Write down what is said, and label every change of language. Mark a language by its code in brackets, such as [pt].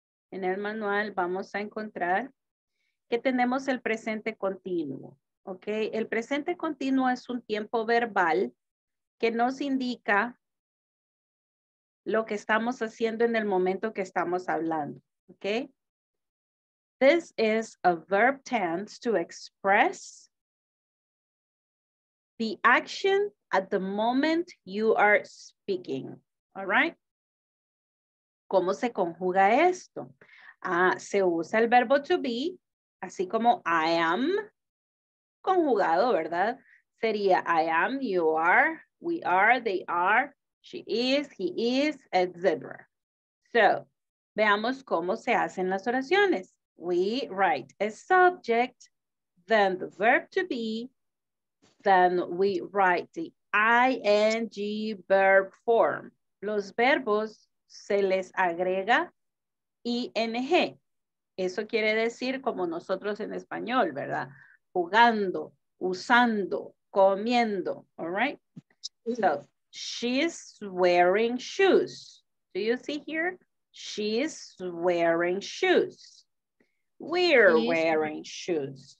[es] En el manual vamos a encontrar que tenemos el presente continuo. Okay. El presente continuo es un tiempo verbal que nos indica lo que estamos haciendo en el momento que estamos hablando. [en] Okay. This is a verb tense to express the action at the moment you are speaking. All right. [es] ¿Cómo se conjuga esto? Se usa el verbo to be, así como I am, conjugado, ¿verdad? Sería [en] I am, you are, we are, they are, she is, he is, etc. So, [es] veamos cómo se hacen las oraciones. [en] We write a subject, then the verb to be, then we write the ing verb form. [es] Los verbos se les agrega ing. Eso quiere decir como nosotros en español, ¿verdad? Jugando, usando, comiendo. [en] All right. So, she's wearing shoes. Do you see here? She's wearing shoes. We're wearing shoes.